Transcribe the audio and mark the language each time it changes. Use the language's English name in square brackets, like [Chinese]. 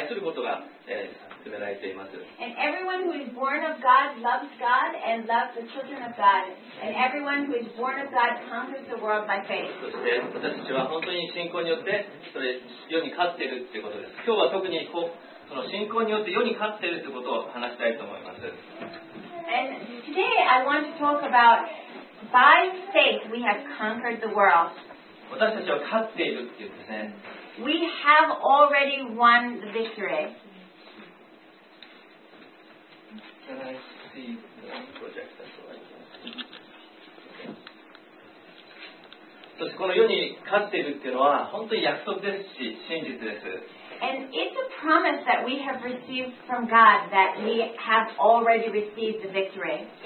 [English] And everyone who is born of God loves God and loves the children of God. And everyone who is born of God conquers the world by faith. [Japanese] そして私たちは本当に信仰によってそれ世に勝っているということです。今日は特にこうその信仰によって世に勝っているということを話したいと思います。 [English] And today I want to talk about by faith we have conquered the world. [Japanese] 私たちは勝っているって言うんですね。 [English] We have already won the victory. Can I see the project? [Japanese] そしてこの世に勝っているっていうのは本当に約束ですし真実です。 [English] And it's a promise that we have received from God that we have already received the victory.